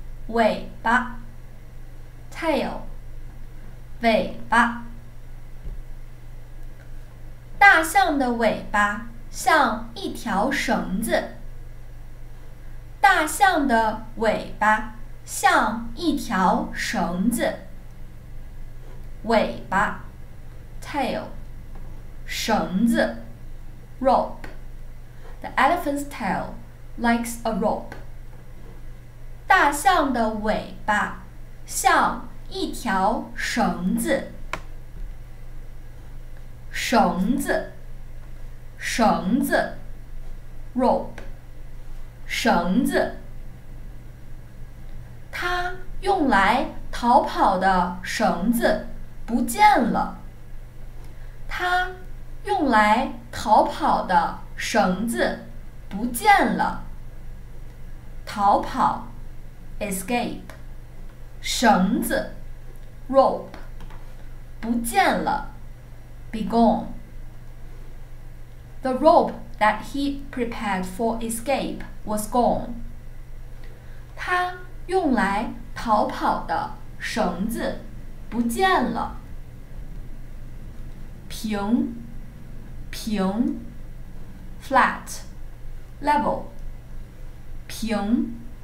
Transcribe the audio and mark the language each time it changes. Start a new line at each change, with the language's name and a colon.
Chinese: 尾巴
English: tail,
Chinese: 尾巴。大象的尾巴像一条绳子。大象的尾巴像一条绳子。尾巴
English: tail,
Chinese: 绳子
English: rope, the elephant's tail likes a rope.
Chinese: 大象的尾巴像一条绳子。绳子，绳子
English: rope,
Chinese: 绳子。它用来逃跑的绳子不见了。它用来逃跑的绳子不见了。逃跑
English: escape,
Chinese: 绳子
English: rope,
Chinese: 不见了
English: be gone. The rope that he prepared for escape was gone.
Chinese: 他用来逃跑的绳子不见了。平，平 ，
English: flat, level,
Chinese: 平。